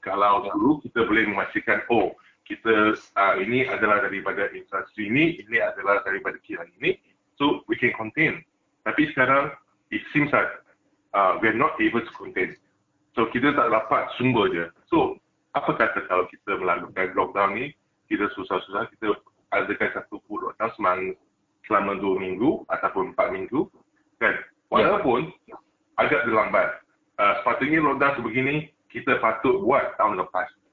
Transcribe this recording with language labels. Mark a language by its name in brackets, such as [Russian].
[Malay] Kalau dulu kita boleh memastikan kita ini adalah daripada industri ini adalah daripada kilang ini, [English] so we can contain. [Malay] Tapi sekarang [English] it seems that we are not able to contain. [Malay] So kita tak dapat sumber dia. So apa kata kalau kita melakukan lockdown ni, kita susah-susah, kita adakan satu full lockdown selama 2 minggu ataupun 4 minggu, kan? Walaupun agak terlambat, sepatutnya lockdown sebegini kita patut buat tahun lepas.